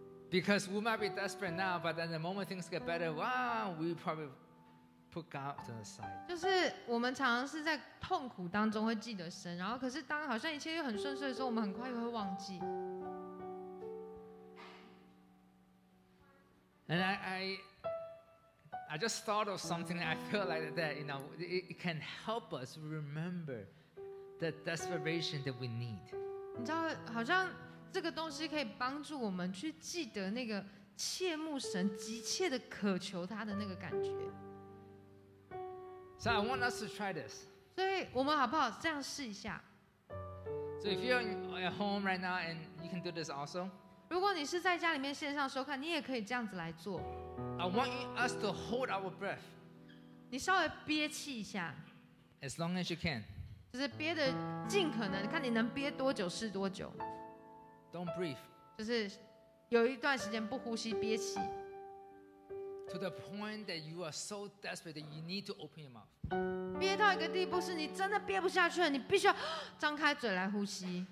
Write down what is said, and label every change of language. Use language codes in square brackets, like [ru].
[en] Because we might be desperate now, but then the moment things get better, we probably put God to the side. [zh] 就是我们常常是在痛苦当中会记得神，然后可是当好像一切又很顺遂的时候，我们很快又会忘记。 [en] And I just thought of something that I feel like that, you know, it can help us remember the desperation that we need. [zh] 你知道，好像这个东西可以帮助我们去记得那个切慕神、急切的渴求他的那个感觉。 [en] So I want us to try this. [zh] 所以我们好不好这样试一下 [en] ？So if you're at home right now and you can do this also. [zh] 如果你是在家里面线上收看，你也可以这样子来做。 [en] I want us to hold our breath. [zh] 你稍微憋气一下。 [en] As long as you can. [zh] 就是憋的尽可能，看你能憋多久是多久。 [en] Don't breathe. [zh] 就是有一段时间不呼吸，憋气。 [en] To the point that you are so desperate that you need to open your mouth. [zh] 憋到一个地步是你真的憋不下去了，你必须要张开嘴来呼吸。